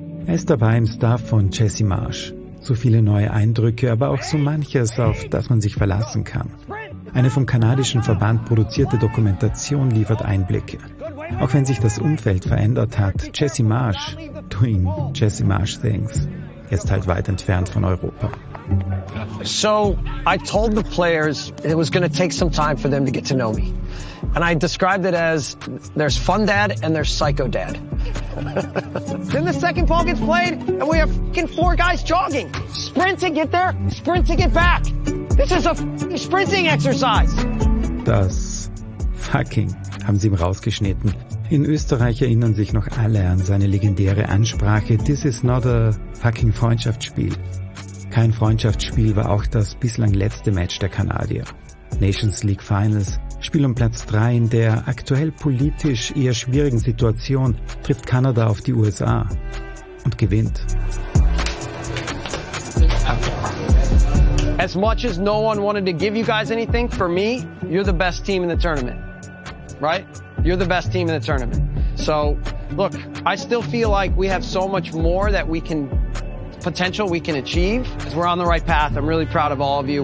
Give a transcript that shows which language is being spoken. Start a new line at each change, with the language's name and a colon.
German: Er ist dabei im Staff von Jesse Marsch. So viele neue Eindrücke, aber auch so manches, auf das man sich verlassen kann. Eine vom kanadischen Verband produzierte Dokumentation liefert Einblicke. Auch wenn sich das Umfeld verändert hat, Jesse Marsh,
English: doing Jesse Marsh things,
German: ist halt weit entfernt von Europa.
English: So, I told the players it was going to take some time for them to get to know me. And I described it as there's fun dad and there's psycho dad. Then the second ball gets played and we have fucking four guys jogging. Sprint to get there, sprint to get back. This is a fucking sprinting exercise.
German: Das fucking haben sie ihm rausgeschnitten. In Österreich erinnern sich noch alle an seine legendäre Ansprache.
English: This is not a fucking
German: Freundschaftsspiel. Kein Freundschaftsspiel war auch das bislang letzte Match der Kanadier. Nations League Finals, Spiel um Platz 3 in der aktuell politisch eher schwierigen Situation, trifft Kanada auf die USA und gewinnt.
English: As much as no one wanted to give you guys anything, for me, you're the best team in the tournament, right? You're the best team in the tournament. So, look, I still feel like we have so much more that we can... potential we can achieve. We're on the right path. I'm really proud of all of you.